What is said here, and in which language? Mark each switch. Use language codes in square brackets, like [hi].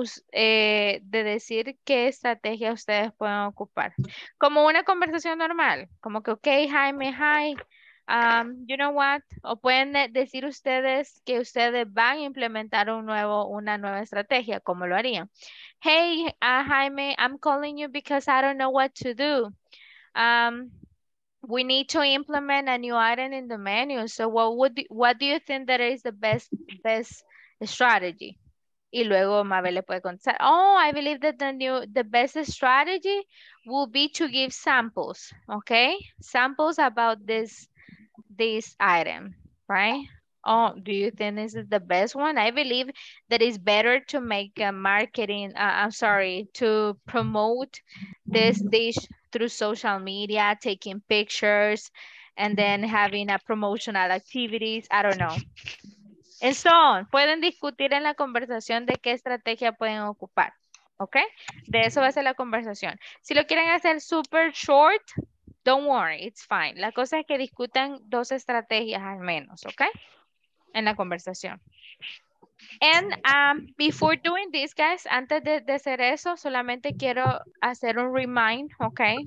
[es] de decir qué estrategia ustedes pueden ocupar. Como una conversación normal, como que, ok, Jaime, [en] hi, you know what? [es] O pueden decir ustedes que ustedes van a implementar una nueva estrategia, como lo harían. [en] Hey, Jaime, I'm calling you because I don't know what to do. We need to implement a new item in the menu. So what do you think that is the best strategy? [es] Y luego Mabel le puede contestar, [en] oh, I believe that the best strategy will be to give samples, okay? Samples about this item, right? Oh, do you think this is the best one? I believe that it's better to make a marketing, to promote this dish through social media, taking pictures, and then having a promotional activities, I don't know. And so on. [es] Pueden discutir en la conversación de qué estrategia pueden ocupar, ¿ok? De eso va a ser la conversación. Si lo quieren hacer [en] super short, don't worry, it's fine. [es] La cosa es que discutan dos estrategias al menos, ¿ok? En la conversación. [en] And before doing this, guys, [es] antes de hacer eso, solamente quiero hacer un remind, ¿ok?